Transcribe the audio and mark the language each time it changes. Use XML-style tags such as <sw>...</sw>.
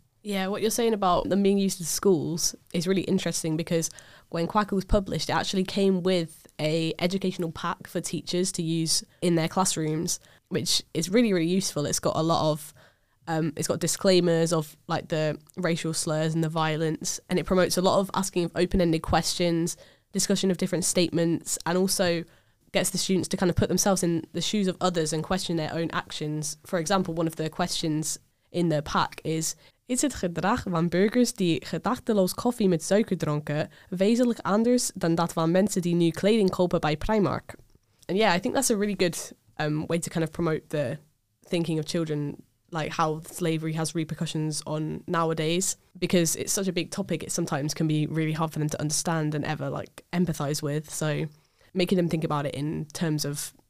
<en>Yeah, what you're saying about them being used in schools is really interesting, because when Kwaku was published, it actually came with a educational pack for teachers to use in their classrooms, which is really, really useful. It's got a lot of, it's got disclaimers of like the racial slurs and the violence, and it promotes a lot of asking of open-ended questions, discussion of different statements, and also gets the students to kind of put themselves in the shoes of others and question their own actions. For example, one of the questions in the pack is,</en> <nl>"Is het gedrag van burgers die gedachteloos koffie met suiker dronken wezenlijk anders dan dat van mensen die nu kleding kopen bij Primark?"</nl> <en>And yeah, I think that's a really good way to kind of promote the thinking of children, like how slavery has repercussions on nowadays, because it's such a big topic, it sometimes can be really hard for them to understand and ever like empathize with. So making them think about it in terms of</en>